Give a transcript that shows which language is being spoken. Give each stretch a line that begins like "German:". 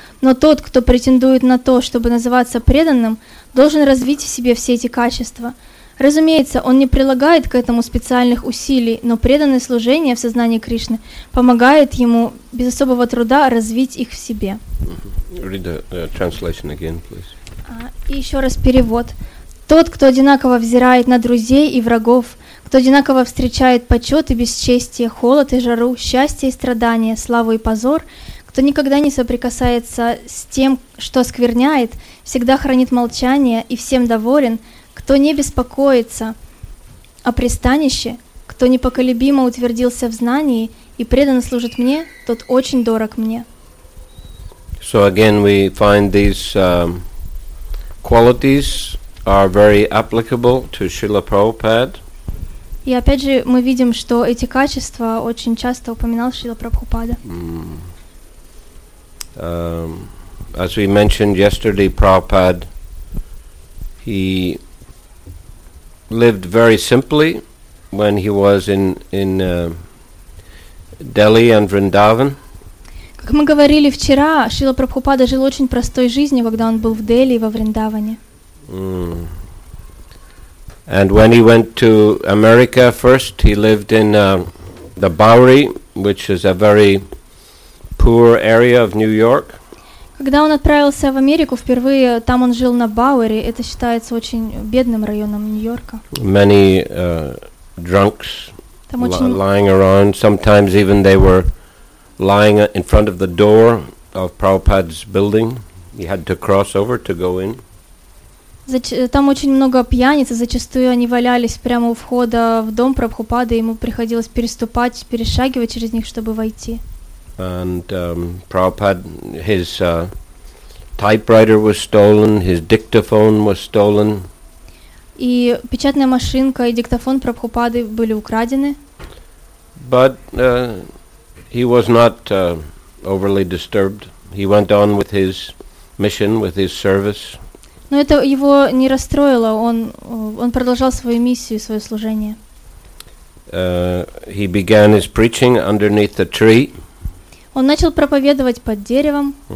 Russian: Но тот, кто претендует на то, чтобы называться преданным, должен развить в себе все эти качества. Разумеется, он не прилагает к этому специальных усилий, но преданное служение в сознании Кришны помогает ему без особого труда развить их в себе.
English: Read the translation again, please.
Russian: И еще раз перевод. Тот, кто одинаково взирает на друзей и врагов, кто одинаково встречает почет и бесчестие, холод и жару, счастье и страдания, славу и позор, кто никогда не соприкасается с тем, что оскверняет, всегда хранит молчание и всем доволен, кто не беспокоится о пристанище, кто непоколебимо утвердился в знании и преданно служит мне, тот очень дорог мне.
English: So again we find these qualities are very applicable to Srila Prabhupada.
Russian: И опять же мы видим, что эти качества очень часто упоминал Шрила Прабхупада.
English: As we mentioned yesterday, Prabhupada, he lived very simply when he was in Delhi and Vrindavan.
Russian: Как мы говорили вчера, Шрила Прабхупада жил очень простой жизнью, когда он был в Дели и во Вриндаване.
English: And when he went to America first, he lived in the Bowery, which is a very poor area of New York.
Russian: Когда он отправился в Америку впервые, там он жил на Бауэри. Это считается очень бедным районом Нью-Йорка.
English: Many drunks lying around. Sometimes even they were lying in front of the door of Prabhupada's building. He had to cross over to go in.
Russian: Там очень много пьяниц, и зачастую они валялись прямо у входа в дом Прабхупады, и ему приходилось перешагивать через них, чтобы войти.
English: And Prabhupada, his typewriter was stolen, his dictaphone was stolen.
Russian: И печатная машинка и диктофон Прабхупады были украдены.
English: But he was not overly disturbed. He went on with his mission, with his service.
Russian: Но это его не расстроило. Он продолжал свою миссию, свое служение.
English: He began his preaching underneath the tree.
Russian: Он начал проповедовать под деревом.